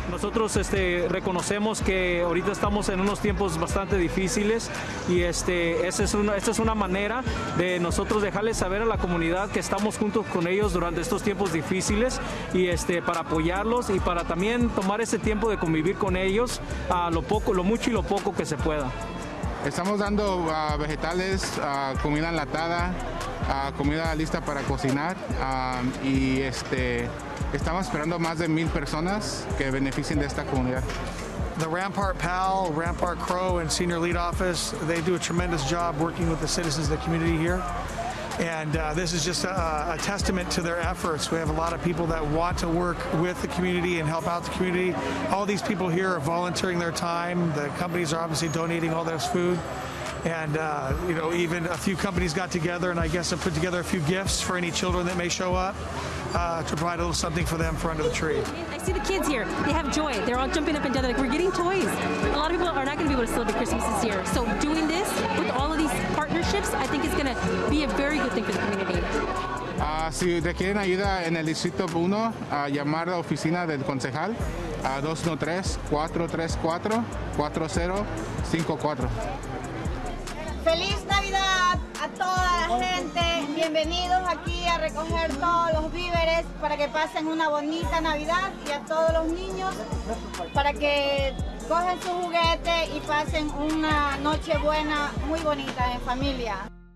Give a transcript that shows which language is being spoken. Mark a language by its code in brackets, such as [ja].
[es] Nosotros reconocemos que ahorita estamos en unos tiempos bastante difíciles y esta es una manera de nosotros dejarles saber a la comunidad que estamos junto con ellos durante estos tiempos difíciles y para apoyarlos y para también tomar ese tiempo de convivir con ellos a lo mucho y lo poco que se pueda. Estamos dando vegetales, comida enlatada, comida lista para cocinar y estamos esperando más de 1,000 personas que beneficien de esta comunidad. [en] The Rampart PAL, Rampart Crow and Senior Lead Office, they do a tremendous job working with the citizens of the community here. And this is just a testament to their efforts. We have a lot of people that want to work with the community and help out the community. All these people here are volunteering their time. The companies are obviously donating all this food. And you know, even a few companies got together and I guess have put together a few gifts for any children that may show up to provide a little something for them for under the tree. I see the kids here. They have joy. They're all jumping up and down. They're like, we're getting toys. A lot of people are not going to be able to celebrate Christmas this year. So doing this with all of these partnerships, I think it's going to be a very good thing for the community. [es] Si requieren ayuda en el distrito 1, llamar a la oficina del concejal, 213-434-4054. ¡Feliz Navidad a toda la gente! Bienvenidos aquí a recoger todos los víveres para que pasen una bonita Navidad y a todos los niños para que cojan su juguete y pasen una noche buena, muy bonita en familia.